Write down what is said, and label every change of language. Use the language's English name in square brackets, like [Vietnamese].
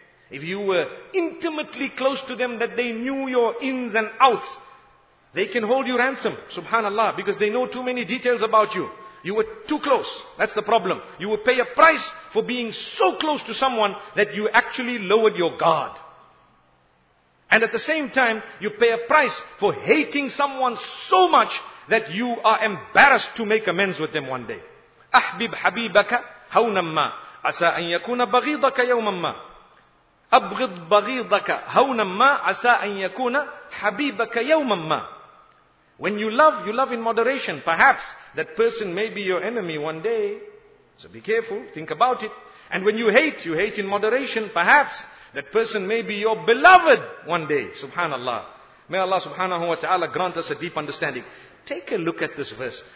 [English] If you were intimately close to them, that they knew your ins and outs, they can hold you ransom, subhanallah, because they know too many details about you. You were too close. That's the problem. You will pay a price for being so close to someone that you actually lowered your guard. And at the same time, you pay a price for hating someone so much that you are embarrassed to make amends with them one day. [Arabic] أحبب حبيبك هونما عسى أن يكون بغيضك يومما أبغض بغيضك هونما عسى أن يكون حبيبك يومما. [English] When you love in moderation. Perhaps that person may be your enemy one day. So be careful, think about it. And when you hate in moderation. Perhaps that person may be your beloved one day. Subhanallah. May Allah subhanahu wa ta'ala grant us a deep understanding. Take a look at this verse.